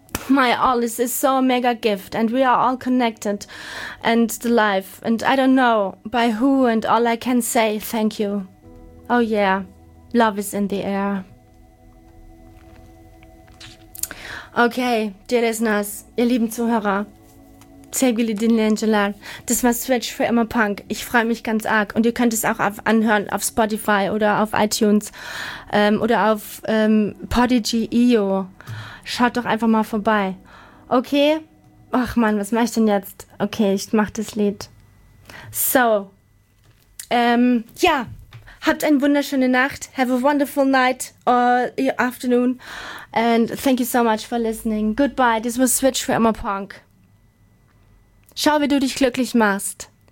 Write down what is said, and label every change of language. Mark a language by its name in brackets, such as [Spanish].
[English] my all is so mega gift, and we are all connected and the life, and I don't know by who, and all I can say thank you. Oh yeah, love is in the air. [German] Okay, [English] dear listeners, [German] ihr lieben Zuhörer, Sergio D'Angelo, das war Switch für immer Punk. Ich freue mich ganz arg. Und ihr könnt es auch anhören auf Spotify oder auf iTunes oder auf Podigy.io. Schaut doch einfach mal vorbei. Okay? Ach man, was mache ich denn jetzt? Okay, ich mache das Lied. So. Ja. Habt eine wunderschöne Nacht. [English] Have a wonderful night or your afternoon. And thank you so much for listening. Goodbye. This was Switch for Emma Punk. [German] Schau, wie du dich glücklich machst.